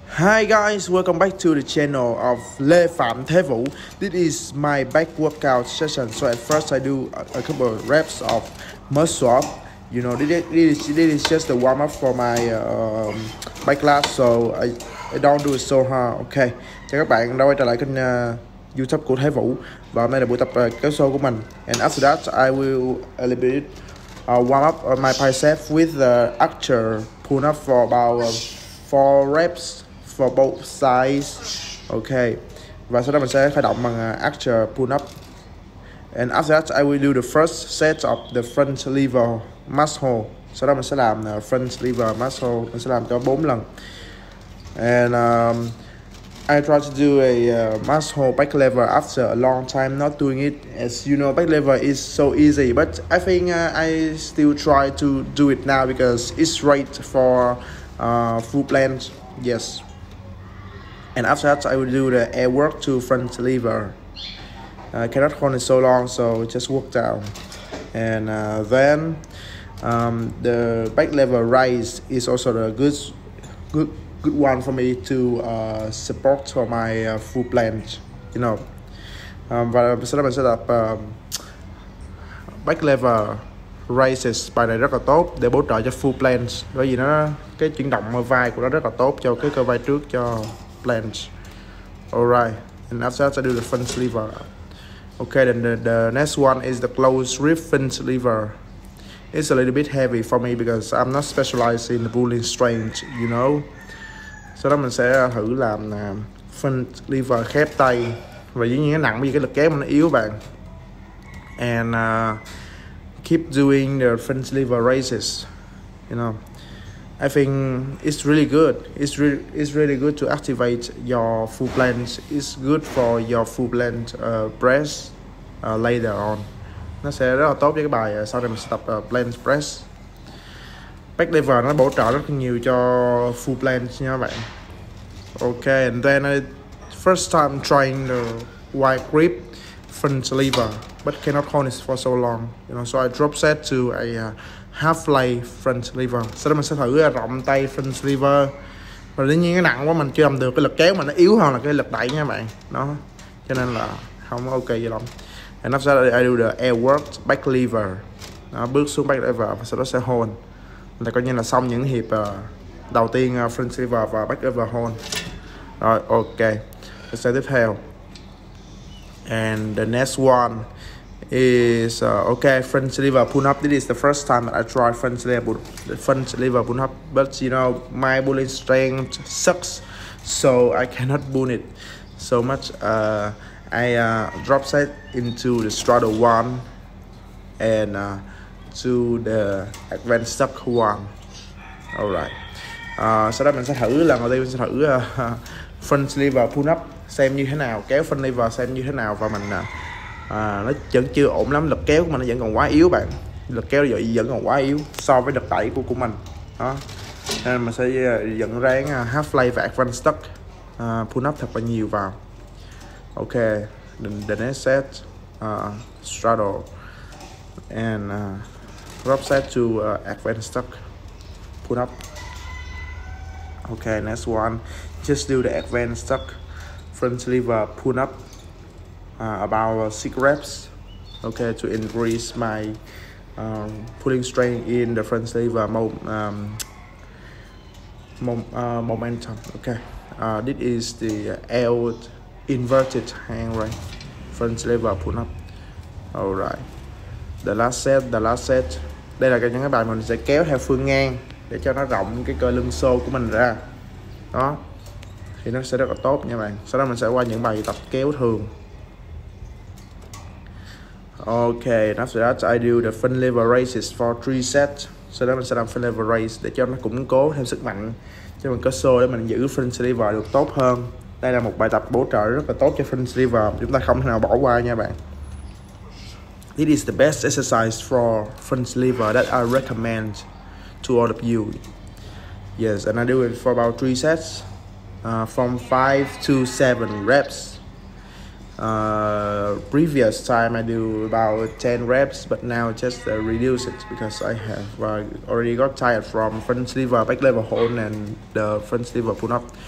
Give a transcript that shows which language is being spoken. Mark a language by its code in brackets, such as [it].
[en] Hi guys, welcome back to the channel of Lephamthevu. This is my back workout session. So at first I do a couple of reps of muscle up. You know, this is just a warm up for my back class. So I don't do it so hard. Okay. [vi] Chào các bạn, đã quay trở lại kênh YouTube của Thế Vũ. Và hôm nay là buổi tập kéo show của mình. [en] And after that, I will a little bit warm up my bicep with the actual pull up for about 4 reps for both sides. Okay. [vi] Và sau đó mình sẽ khởi động bằng actual pull up. [en] And after that, I will do the first set of the front lever muscle. [vi] Sau đó mình sẽ làm front lever muscle. Mình sẽ làm cho 4 lần. [en] And I try to do a muscle back lever after a long time not doing it. As you know, back lever is so easy, but I think I still try to do it now because it's right for full plank. Yes. And after that, I will do the air work to front lever. I cannot hold it so long, so just walk down. And then the back lever raise is also a good one for me to support for my full plank, you know. [vi] Và sau đó mình sẽ tập back lever raises. Bài này rất là tốt để hỗ trợ cho full plank, bởi vì nó cái chuyển động vai của nó rất là tốt cho cái cơ vai trước cho plank. [en] Alright, and after that I do the front lever. Okay, then the next one is the closed rib front lever. It's a little bit heavy for me because I'm not specialized in the pulling strength, you know. [vi] Sau đó mình sẽ thử làm front lever khép tay. Và dĩ nhiên nó nặng vì cái lực kéo nó yếu bạn. [en] And keep doing the front lever raises, you know. I think it's really good. It's really good to activate your full plank. It's good for your full plank press later on. [vi] Nó sẽ rất là tốt với cái bài sau này mình sẽ tập plank press. Back lever nó bổ trợ rất nhiều cho full plank nha các bạn. [en] Okay, and then I first time trying the wide grip front lever, but cannot hold it for so long. You know, so I drop set to a half lay front lever. [vi] Sau đó mình sẽ thử rộng tay front lever. Và tất nhiên cái nặng quá mình chưa làm được cái lực kéo mà nó yếu hơn là cái lực đẩy nha các bạn. Đó, cho nên là không ok gì lắm. [en] And after that, I do the air work back lever. [vi] Đó, bước xuống back lever và sau đó sẽ hold. Là coi như là xong những hiệp đầu tiên front lever và back lever hold. Rồi, ok. Rồi sẽ tiếp theo. [en] And the next one is okay, front lever pull up. This is the first time that I try front lever pull up, but you know my pulling strength sucks, so I cannot pull it so much. I drop set into the straddle one and to the advanced stuck one. All right. [vi] Sau đó mình sẽ thử lần đầu tiên mình sẽ thử front lever pull up xem như thế nào, kéo front lever xem như thế nào và mình nó vẫn chưa ổn lắm, lực kéo của mình nó vẫn còn quá yếu bạn, lực kéo giờ vẫn còn quá yếu so với lực đẩy của mình đó, nên mình sẽ dẫn ráng half lay và advanced stuck pull up thật là nhiều vào. [en] Ok, the next set straddle and drop set to advanced stuck pull up. Ok, next one just do the advanced stuck front lever pull up about 6 reps, okay, to increase my pulling strength in the front lever momentum. Okay, this is the L inverted hang right front lever pull up. All right, the last set. [vi] Đây là cái những cái bài mình sẽ kéo theo phương ngang để cho nó rộng cái cơ lưng xô của mình ra. Đó, thì nó sẽ rất là tốt nha bạn. Sau đó mình sẽ qua những bài tập kéo thường. [en] Okay, after that I do the front lever raises for 3 sets. [vi] Sau đó mình sẽ làm front lever raise để cho nó củng cố thêm sức mạnh cho mình cơ xô để mình giữ front lever được tốt hơn. Đây là một bài tập bổ trợ rất là tốt cho front lever, chúng ta không thể nào bỏ qua nha bạn. [en] This is the best exercise for front lever that I recommend to all of you. Yes, and I do it for about 3 sets from 5 to 7 reps. Previous time I do about 10 reps, but now just reduce it because I have already got tired from front lever back lever hold and the front lever pull up.